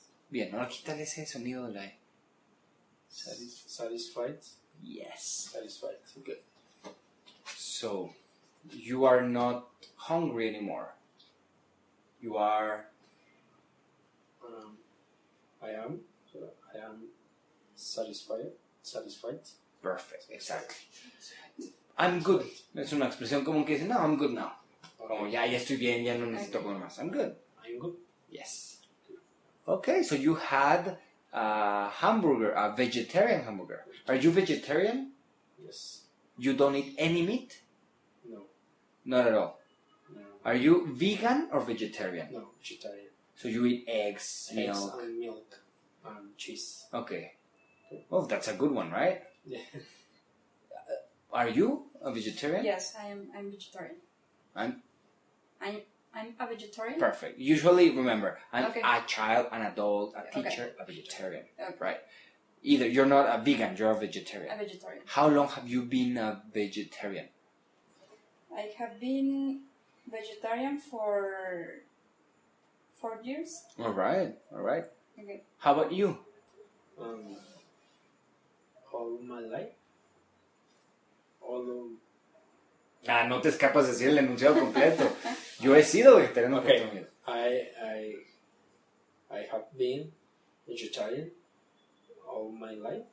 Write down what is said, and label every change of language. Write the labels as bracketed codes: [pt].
[es] Bien, ahora quítale ese sonido de la E. [en] Satisfied. Yes. Satisfied. Good. So, you are not hungry anymore. You are. I am satisfied. Perfect, exactly. I'm good. [es] Es una expresión común que dice, no, [en] I'm good now. Okay. [es] Como ya estoy bien, ya no necesito comer más. [en] I'm good. I'm good. Yes. Okay, so you had a hamburger, a vegetarian hamburger. Are you vegetarian? Yes. You don't eat any meat? No. Not at all? No. Are you vegan or vegetarian? No, vegetarian. So you eat eggs, milk? Eggs and milk and cheese. Okay. Oh, that's a good one, right? Yeah. Are you a vegetarian? Yes, I am. I'm vegetarian. I'm a vegetarian? Perfect. Usually, remember, I'm okay. A child, an adult, a teacher, okay. A vegetarian. Okay. Right. Either you're not a vegan, you're a vegetarian. A vegetarian. How long have you been a vegetarian? I have been vegetarian for 4 years. All right. Okay. How about you? All my life. [es] No te escapas de decir el enunciado completo. Yo he sido vegetariano. [en] Okay. I have been vegetarian all my life.